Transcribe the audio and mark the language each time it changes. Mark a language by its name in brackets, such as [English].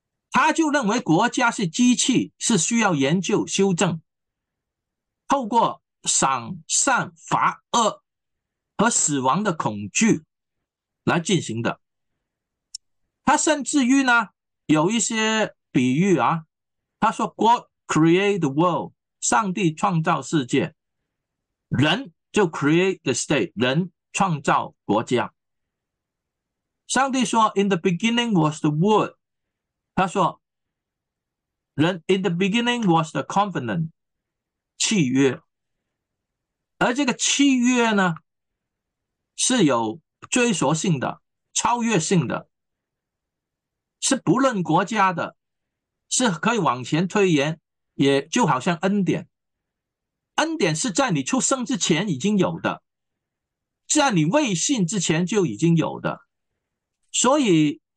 [Chinese] 他就认为国家是机器，是需要研究修正，透过赏善罚恶和死亡的恐惧来进行的。他甚至于呢，有一些比喻啊，他说 [English] "God create the world"， [Chinese] 上帝创造世界，人就 [English] create the state， [Chinese] 人创造国家。上帝说 [English] "In the beginning was the word"。 [Chinese] 他说：“人 [English] in the beginning was the covenant [Chinese] 契约，而这个契约呢，是有追溯性的、超越性的，是不论国家的，是可以往前推延，也就好像恩典，恩典是在你出生之前已经有的，在你未信之前就已经有的，所以。”